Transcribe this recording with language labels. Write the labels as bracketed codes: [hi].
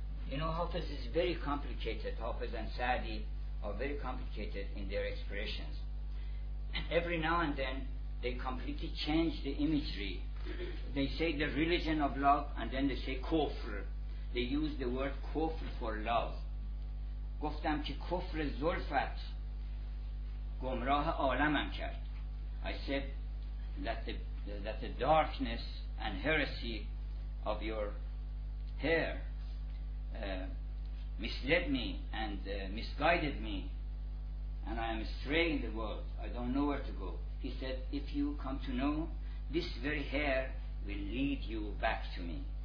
[en] You know, Hafiz is very complicated. Hafiz and Sa'di are very complicated in their expressions. Every now and then, they completely change the imagery. They say the religion of love, and then they say kufr. They use the word kufr for love. [fa] گفتم که کفر زلفت گمراه عالمم کرد. [en] I said that the darkness and heresy of your hair misled me and misguided me, and I am astray in the world. I don't know where to go. He said, if you come to know, this very hair will lead you back to me.